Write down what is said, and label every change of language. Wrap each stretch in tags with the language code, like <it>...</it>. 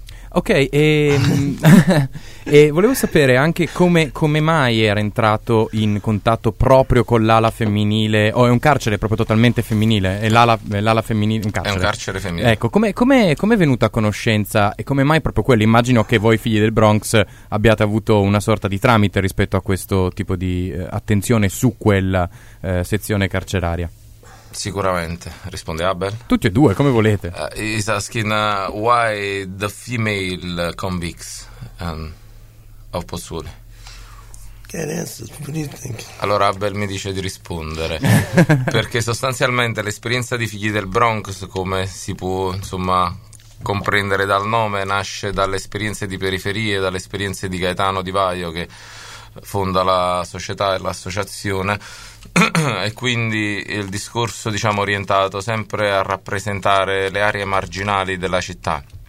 <it>Ok, e volevo sapere anche come mai era entrato in contatto proprio con l'ala femminile, è un carcere proprio totalmente femminile, l'ala femminile, un carcere. È un carcere femminile. Ecco, come è venuta a conoscenza e come mai proprio quello? Immagino che voi Figli del Bronx abbiate avuto una sorta di tramite rispetto a questo tipo di attenzione su quella sezione carceraria. Sicuramente, risponde Abel. Tutti e due, come volete.</it> <en>He's asking why the female convicts of Pozzuoli. Can't answer. What do you think?</en> <it>Allora Abel mi dice di rispondere perché sostanzialmente l'esperienza di Figli del Bronx, come si può insomma comprendere dal nome, nasce dalle esperienze di periferie, dalle esperienze di Gaetano Di Vaio, che fonda la società e l'associazione, e quindi il discorso, diciamo, orientato sempre a rappresentare le aree marginali della città.</it>